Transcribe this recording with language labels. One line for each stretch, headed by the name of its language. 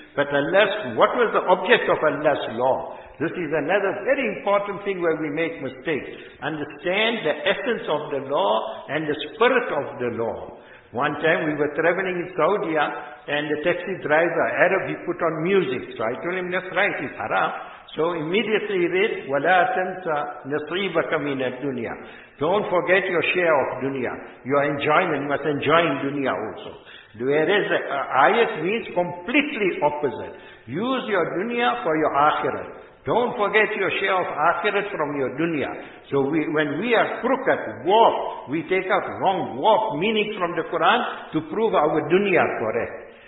English: But Allah's, what was the object of Allah's law? This is another very important thing where we make mistakes. Understand the essence of the law and the spirit of the law. One time we were traveling in Saudi, and the taxi driver, Arab, he put on music. So I told him, that's right, it's haram. So immediately he read,
Arabic: وَلَا تَنْسَ نَصِيبَكَ مِنَ الدُّنْيَا.
English: Don't forget your share of dunya. Your enjoyment, you must enjoy dunya also. Whereas ayat means completely opposite. Use your dunya for your akhirah. Don't forget your share of akhirat from your dunya. So when we are crooked, warp, we take out wrong warp meaning from the Quran to prove our dunya correct.